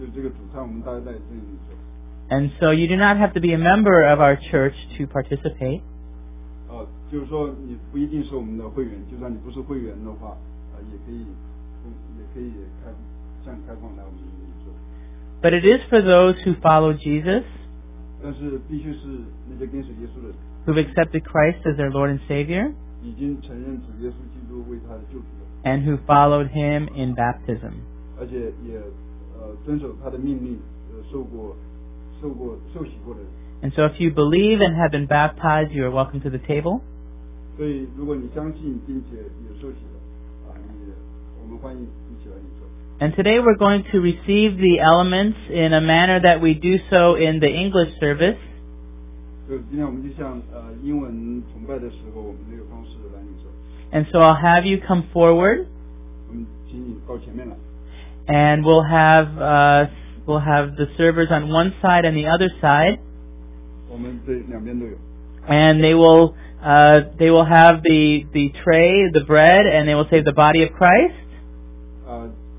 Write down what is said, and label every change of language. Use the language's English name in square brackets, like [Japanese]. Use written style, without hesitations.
[Chinese] 我们在这一次我们纪念的时候是在就这个主餐我们大家在这里做。 [English] And so you do not have to be a member of our church to participate. [Chinese] 就是说你不一定是我们的会员，就算你不是会员的话，也可以开放来我们这里做。 [English] But it is for those who follow Jesus. [Chinese] 但是必须是那些跟随耶稣的。 [English] Who've accepted Christ as their Lord and Savior, [Chinese] 已经承认主耶稣基督为他的救主了, [English] and who followed him in baptism. [Chinese] 而且也遵守他的命令，受洗过的人。 [English] And so if you believe and have been baptized, you are welcome to the table. [Chinese] 所以如果你相信并且也受洗了，我们欢迎一起来领受。 [English] And today we're going to receive the elements in a manner that we do so in the English service. [Chinese] 今天我们就像英文崇拜的时候，我们这个方式来领受。 [English] And so I'll have you come forward. [Chinese] 请你到前面来。 [English] And we'll have the servers on one side and the other side. [Chinese] 我们这两边都有。 [English] And they will have the tray, the bread, and they will say the body of Christ.